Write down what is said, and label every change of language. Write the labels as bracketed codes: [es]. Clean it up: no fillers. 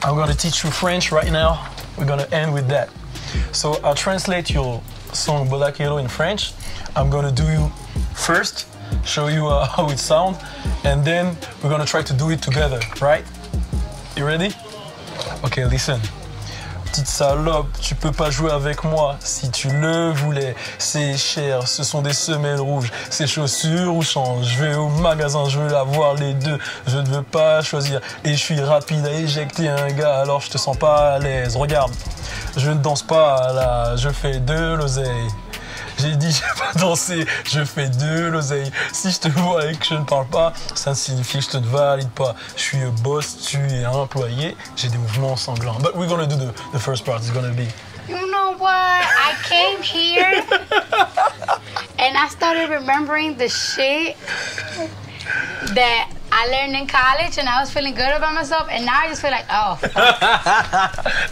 [en] I'm gonna teach you French right now. We're gonna end with that. So I'll translate your song Black Yellow in French. I'm gonna do you first, show you how it sounds, and then we're gonna try to do it together, right? You ready? Okay, listen. [fr] petite salope, tu peux pas jouer avec moi si tu le voulais. C'est cher, ce sont des semelles rouges, ces chaussures ou change. Je vais au magasin, je veux avoir les deux, je ne veux pas choisir. Et je suis rapide à éjecter un gars, alors je te sens pas à l'aise. Regarde, je ne danse pas là, je fais de l'oseille. J'ai dit, j'ai pas dansé, je fais de l'oseille. Si je te vois et que je ne parle pas, ça signifie que je te ne valide pas. Je suis boss, tu es employé, j'ai des mouvements sanglants. [en] But we're gonna do the first part, it's gonna be. You know what? I came here and I started remembering the shit that I learned in college and I was feeling good about myself and now I just feel like, oh, fuck.